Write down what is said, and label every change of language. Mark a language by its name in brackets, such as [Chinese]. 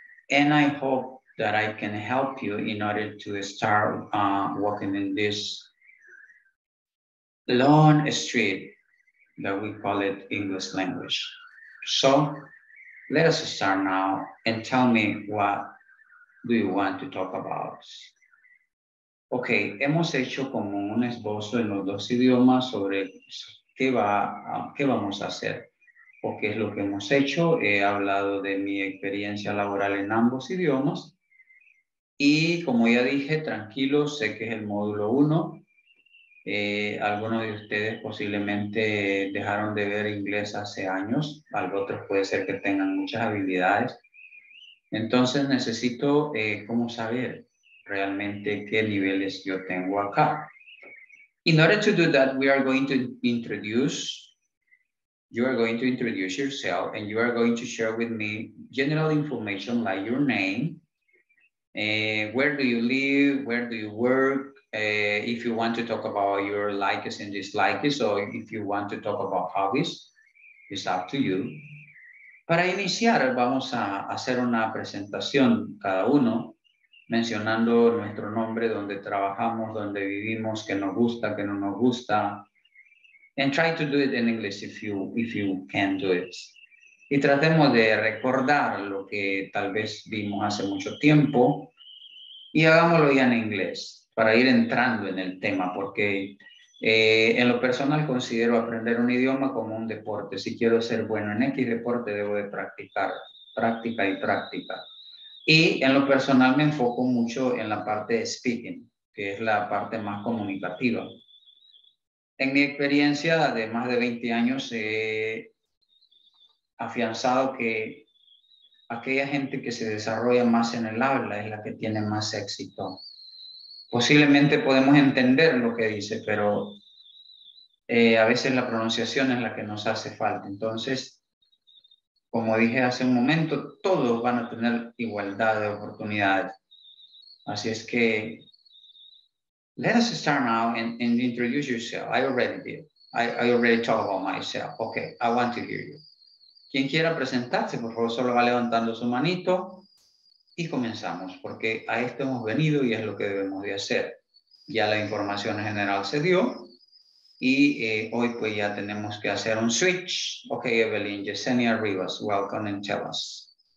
[English] And I hope that I can help you in order to start working in this long street that we call it English language. So let us start now and tell me what do you want to talk about. [Spanish] Okay, hemos hecho como un esbozo en los dos idiomas sobre qué vamos a hacer, o qué es lo que hemos hecho. He hablado de mi experiencia laboral en ambos idiomas. Y como ya dije, tranquilo, sé que es el módulo 1. Algunos de ustedes posiblemente dejaron de ver inglés hace años, otros puede ser que tengan muchas habilidades. Entonces necesito cómo saber realmente qué niveles yo tengo acá. [English] In order to do that, we are going to introduce, you are going to introduce yourself and you are going to share with me general information like your name, where do you live, where do you work, if you want to talk about your likes and dislikes, or if you want to talk about hobbies, it's up to you. [Spanish] Para iniciar, vamos a hacer una presentación cada uno mencionando nuestro nombre, donde trabajamos, donde vivimos, que nos gusta, que no nos gusta. [English] And try to do it in English if you can do it. [Spanish] Y tratemos de recordar lo que tal vez vimos hace mucho tiempo y hagámoslo ya en inglés para ir entrando en el tema, porque en lo personal considero aprender un idioma como un deporte. Si quiero ser bueno en X deporte, debo de practicar, práctica y práctica. Y en lo personal me enfoco mucho en la parte de speaking, que es la parte más comunicativa. En mi experiencia de más de 20 años he afianzado que aquella gente que se desarrolla más en el habla es la que tiene más éxito. Posiblemente podemos entender lo que dice, pero a veces la pronunciación es la que nos hace falta. Entonces, como dije hace un momento, todos van a tener igualdad de oportunidades. Así es que, [English] let us start now and introduce yourself. I already did. I already talked about myself. Okay, I want to hear you. [Spanish] Quien quiera presentarse, por favor, solo va levantando su manito y comenzamos, porque a esto hemos venido y es lo que debemos de hacer. Ya la información general se dio y hoy pues ya tenemos que hacer un switch. [English] Ok, Evelyn, Yesenia Rivas, welcome and tell us.